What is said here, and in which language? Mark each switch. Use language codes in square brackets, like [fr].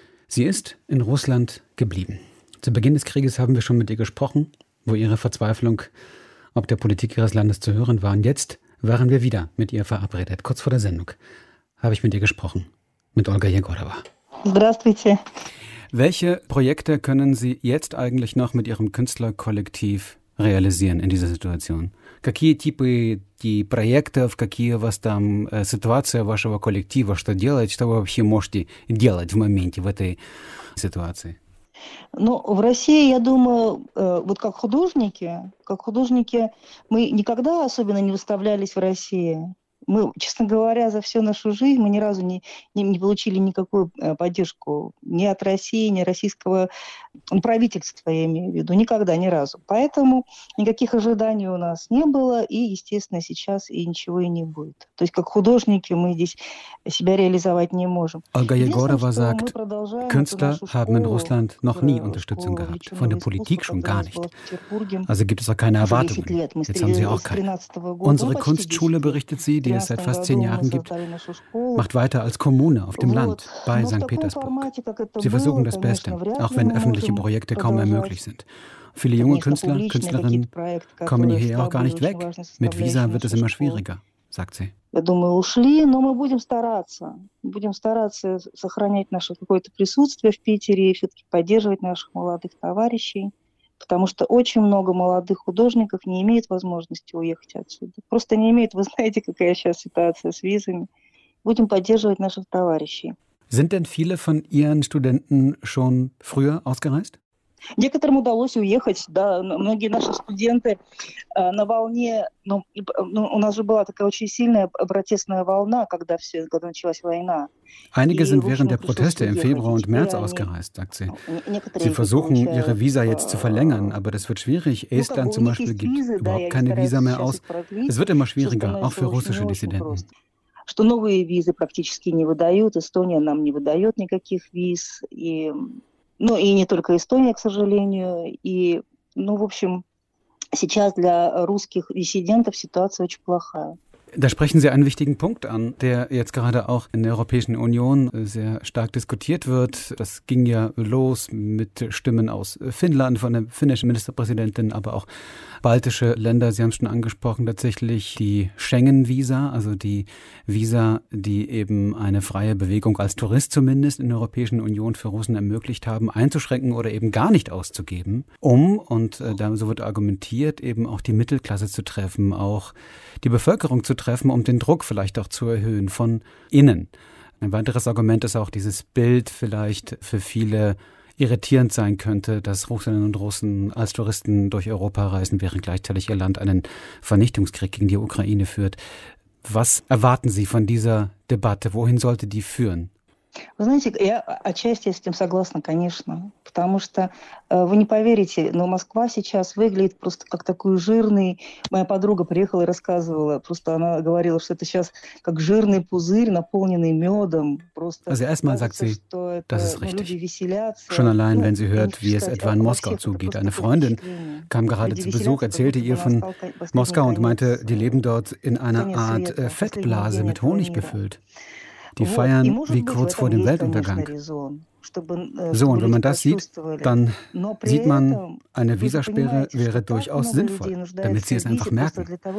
[de] Sie ist in Russland geblieben. Zu Beginn des Krieges haben wir schon mit ihr gesprochen, wo ihre Verzweiflung ob der Politik ihres Landes zu hören war. Und jetzt waren wir wieder mit ihr verabredet. Kurz vor der Sendung habe ich mit ihr gesprochen, mit Olga Yegorova. [ru] Здравствуйте. [de] Welche Projekte können Sie jetzt eigentlich noch mit Ihrem Künstlerkollektiv realisieren in dieser Situation? [ru] Какие типы [de] die Projekte, [ru] в какие у вас там ситуация вашего коллектива, что делать, что вы вообще можете делать в моменте в этой ситуации? Ну, в России, я думаю, вот как художники, мы никогда особенно не выставлялись в России. Мы, честно говоря, за всю нашу жизнь мы ни разу не получили никакую поддержку ни от России, ни российского правительства, я имею в виду, никогда, ни разу. Поэтому никаких ожиданий у нас не было, и, естественно, сейчас и ничего и не будет. То есть как художники мы здесь себя реализовать не можем. [de] Ольга Егорова sagt, Künstler haben in Russland noch nie Unterstützung gehabt, von der Politik schon gar nicht. Also gibt es auch keine Erwartungen. Jetzt haben sie auch keine. Unsere Kunstschule, berichtet sie, die es seit fast 10 Jahren gibt, macht weiter als Kommune auf dem Land bei St. Petersburg. Sie versuchen das Beste, auch wenn öffentliche Projekte kaum mehr möglich sind. Viele junge Künstler, Künstlerinnen kommen hier auch gar nicht weg. Mit Visa wird es immer schwieriger, sagt sie. [ru] Я думаю, ушли, но мы будем стараться сохранять наше какое-то присутствие в Питере и все-таки поддерживать наших молодых товарищей, потому что очень много молодых художников не имеют возможности уехать отсюда. Просто не имеют, вы знаете, какая сейчас ситуация с визами. Будем поддерживать наших товарищей. [de] Sind denn viele von Ihren Studenten schon früher ausgereist? [ru] Некоторым удалось уехать, да, многие наши студенты на волне, ну, у нас же была такая очень сильная протестная волна, когда началась война. [de] Einige sind während der Proteste im Februar und März ausgereist, sagt sie. Sie versuchen, ihre Visa jetzt zu verlängern, aber das wird schwierig. Estland zum Beispiel gibt überhaupt keine Visa mehr aus. Es wird immer schwieriger, auch für russische Dissidenten. [ru] Что новые визы практически не выдают, Эстония нам не выдает никаких виз, и... Ну и не только Эстония, к сожалению. И, ну, в общем, сейчас для русских диссидентов ситуация очень плохая. [de] Da sprechen Sie einen wichtigen Punkt an, der jetzt gerade auch in der Europäischen Union sehr stark diskutiert wird. Das ging ja los mit Stimmen aus Finnland, von der finnischen Ministerpräsidentin, aber auch baltische Länder, Sie haben es schon angesprochen, tatsächlich die Schengen-Visa, also die Visa, die eben eine freie Bewegung als Tourist zumindest in der Europäischen Union für Russen ermöglicht haben, einzuschränken oder eben gar nicht auszugeben, um, und da so wird argumentiert, eben auch die Mittelklasse zu treffen, auch die Bevölkerung zu treffen, um den Druck vielleicht auch zu erhöhen von innen. Ein weiteres Argument ist auch, dieses Bild vielleicht für viele irritierend sein könnte, dass Russinnen und Russen als Touristen durch Europa reisen, während gleichzeitig ihr Land einen Vernichtungskrieg gegen die Ukraine führt. Was erwarten Sie von dieser Debatte? Wohin sollte die führen? [ru] Вы знаете, я отчасти с этим согласна, конечно, потому что вы не поверите, но Москва сейчас выглядит просто как такой жирный. Моя подруга приехала и рассказывала, просто она говорила, что это сейчас как жирный пузырь, наполненный медом. Просто. [de] Also erstmal sagt sie, das ist richtig. Schon allein, wenn sie hört, wie es etwa in Moskau zugeht. Eine Freundin kam gerade zu Besuch, erzählte ihr von Moskau und meinte, die leben dort in einer Art Fettblase mit Honig befüllt. Die feiern wie kurz vor dem Weltuntergang. So, und wenn man das sieht, dann sieht man, eine Visasperre wäre durchaus sinnvoll, damit sie es einfach merken.